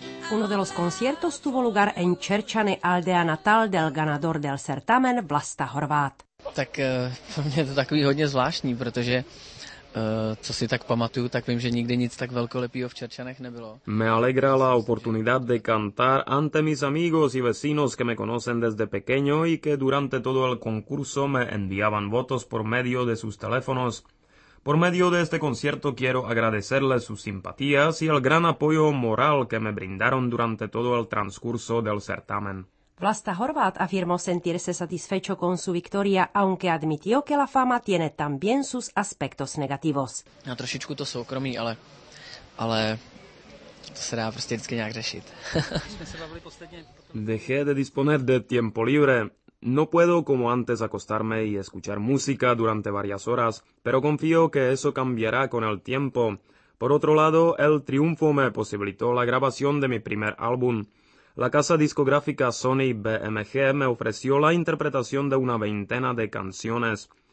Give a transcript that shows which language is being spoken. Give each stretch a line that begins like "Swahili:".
Spanish: Uno de los conciertos tuvo lugar en Čerčany, aldea natal del ganador del certamen Vlasta Horvát.
Czech: Tak pro mě to takový hodně zvláštní, protože co si tak pamatuju, tak vím, že nikdy nic tak velkolepýho v Čerčanech nebylo.
Spanish: Me alegra la oportunidad de cantar ante mis amigos y vecinos que me conocen desde pequeño y que durante todo el concurso me enviaban votos por medio de sus teléfonos. Por medio de este concierto quiero agradecerles sus simpatías y el gran apoyo moral que me brindaron durante todo el transcurso del certamen. Vlasta Horvát afirmó sentirse satisfecho con su victoria, aunque admitió que la fama tiene también sus aspectos negativos.
Czech: Ja, trošičku to soukromí, ale to se dá prostě vždycky nějak řešit.
Spanish: Dejé de disponer de tiempo libre. No puedo como antes acostarme y escuchar música durante varias horas, pero confío que eso cambiará con el tiempo. Por otro lado, el triunfo me posibilitó la grabación de mi primer álbum. La casa discográfica Sony BMG me ofreció la interpretación de una veintena de canciones.